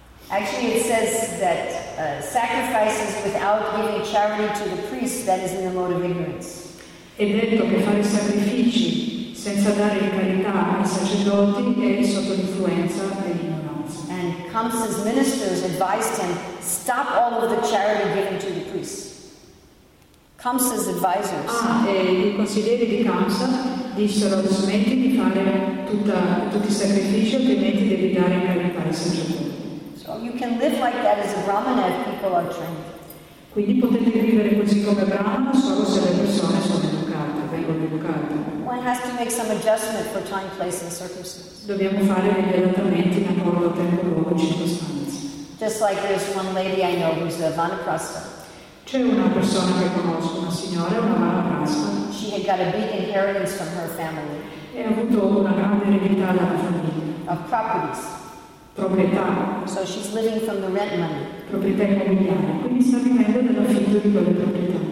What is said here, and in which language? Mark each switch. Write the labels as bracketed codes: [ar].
[en] Actually, it says that sacrifices without giving charity to the priest, that is in the mode of ignorance. [it] È detto che fare sacrifici senza dare carità ai sacerdoti è sotto l'influenza dell'ignoranza. [en] And Kamsa's ministers advised him, stop all of the charity given to the priests. Kamsa's advisors. [it] Ah, e i consiglieri di Kamsa dissero, smetti di fare tutti i sacrifici, altrimenti devi dare carità ai sacerdoti. [en] So you can live like that as a Brahmana if people are trained. [it] Quindi potete vivere così come Brahmana solo se le persone sono educate, vengono educate. [en] One has to make some adjustment for time, place, and circumstances. [it] Dobbiamo fare degli adattamenti in accordo tempo, luogo e circostanze. [en] Just like there's one lady I know who's a Vanaprastha. [it] C'è una persona che conosco, una signora, una Vanaprastha. [en] She had got a big inheritance from her family. [it] E ha avuto una grande eredità dalla famiglia. [en] Of properties. [it] Proprietà. [en] So she's living from the rent money. [it] Proprietà immobiliare. Quindi sta vivendo dall'affitto di quelle proprietà.